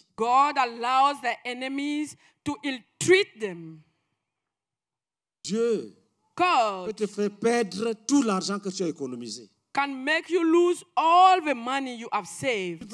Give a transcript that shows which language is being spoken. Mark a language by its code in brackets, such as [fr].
[en] God allows their enemies to ill-treat them. [fr] Dieu [en] God [fr] peut te faire perdre tout l'argent que tu as économisé. [en] Can make you lose all the money you have saved.